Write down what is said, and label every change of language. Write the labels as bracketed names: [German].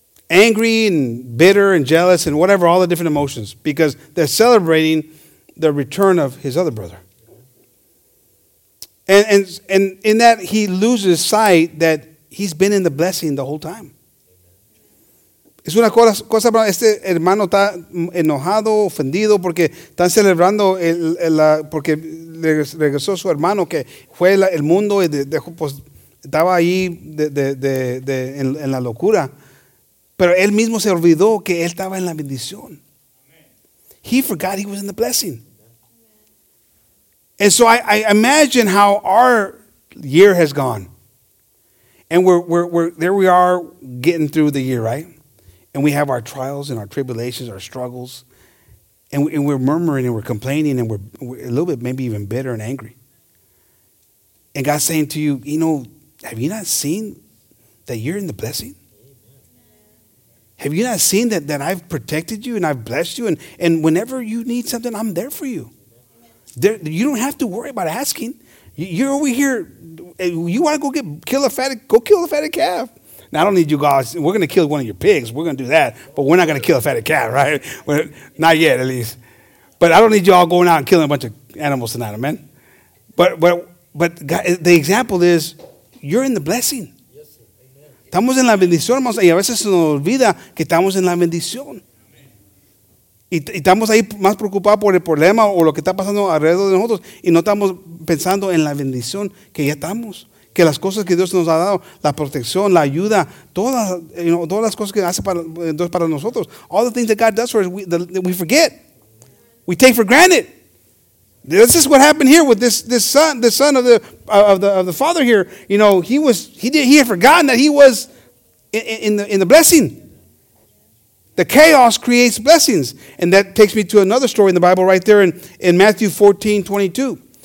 [English] Angry and bitter and jealous and whatever, all the different emotions, because they're celebrating the return of his other brother. And in that, he loses sight that he's been in the blessing the whole time. [Spanish] Es una cosa, este hermano está enojado, ofendido, porque están celebrando, porque regresó su hermano, que fue el mundo, y pues estaba ahí en la locura. Pero él mismo se olvidó que él estaba en la bendición. [English] He forgot he was in the blessing. And so I imagine how our year has gone. And there we are getting through the year, right? And we have our trials and our tribulations, our struggles. And we're murmuring and we're complaining and we're a little bit maybe even bitter and angry. And God's saying to you, you know, have you not seen that you're in the blessing? Amen. Have you not seen that I've protected you and I've blessed you? And whenever you need something, I'm there for you. You don't have to worry about asking. You're over here. You want to go kill a fatted calf. Now, I don't need you guys. We're going to kill one of your pigs. We're going to do that. But we're not going to kill a fatted calf, right? Not yet, at least. But I don't need you all going out and killing a bunch of animals tonight, amen? But God, the example is, you're in the blessing. [Spanish] Estamos en la bendición, hermanos. Y a veces se nos olvida que estamos en la bendición. Y estamos ahí más preocupados por el problema o lo que está pasando alrededor de nosotros. Y no estamos pensando en la bendición que ya estamos. Que las cosas que Dios nos ha dado, la protección, la ayuda, todas las cosas que hace Dios para nosotros. [English] All the things that God does for us, we forget. We take for granted. This is what happened here with this son of the father here. You know, he had forgotten that he was in the blessing. The chaos creates blessings. And that takes me to another story in the Bible right there in Matthew 14, 22.